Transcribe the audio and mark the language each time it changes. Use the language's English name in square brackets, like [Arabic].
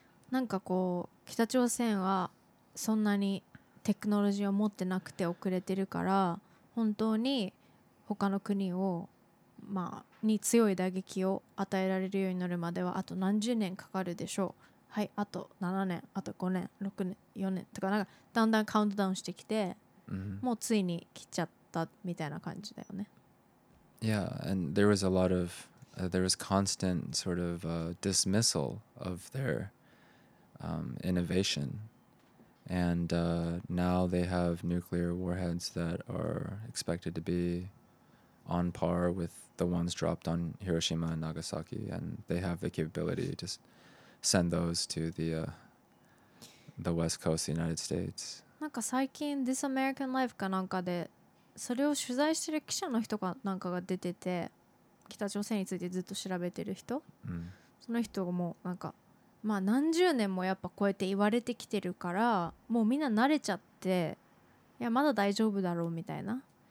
[Japanese] なんかこう、北朝鮮はそんなにテクノロジーを持ってなくて遅れてるから、本当に他の国をまあ、に強い打撃を与えられるようになるまではあと何十年かかるでしょう。はい、あと7年、あと5年、6年、4年とか、なんかだんだんカウントダウンしてきて、 mm-hmm. もうついに来ちゃったみたいな感じだよね。 [English] Yeah, and there was a lot of there was constant sort of dismissal of their innovation. And now they have nuclear warheads that are expected to beon par with the ones dropped on Hiroshima and Nagasaki, and they have the capability to send those to the West Coast of the United States. [Japanese] なんか最近 This American Life かなんかでそれを取材してる記者の人かなんかが出てて、北朝鮮についてずっと調べてる人、その人もなんかまあ何十年もやっぱこうやって言われてきてるから、もうみんな慣れちゃって、いやまだ大丈夫だろうみたいな。